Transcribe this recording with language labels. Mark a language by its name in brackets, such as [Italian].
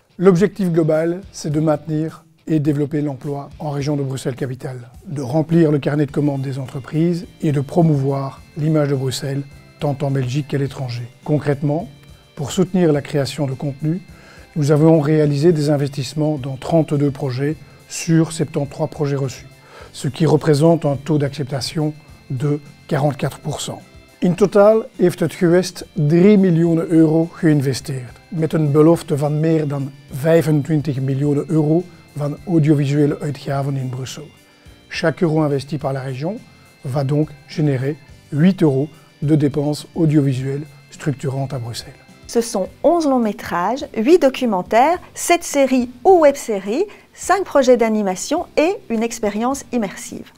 [French] L'objectif global, c'est de maintenir et développer l'emploi en région de Bruxelles-Capitale, de remplir le carnet de commandes des entreprises et de promouvoir l'image de Bruxelles, tant en Belgique qu'à l'étranger. Concrètement, pour soutenir la création de contenu, nous avons réalisé des investissements dans 32 projets sur 73 projets reçus, ce qui représente un taux d'acceptation de 44%. [Dutch] In totaal heeft het geweest 3 miljoen euro geïnvesteerd, met een belofte van meer dan 25 miljoen euro van audiovisuele uitgaven in Brussel. [French] Chaque euro investi par la région va donc générer 8 euros de dépenses audiovisuelles structurantes à Bruxelles. Ce sont 11 longs-métrages, 8 documentaires, 7 séries ou web-séries, 5 projets d'animation et une expérience immersive.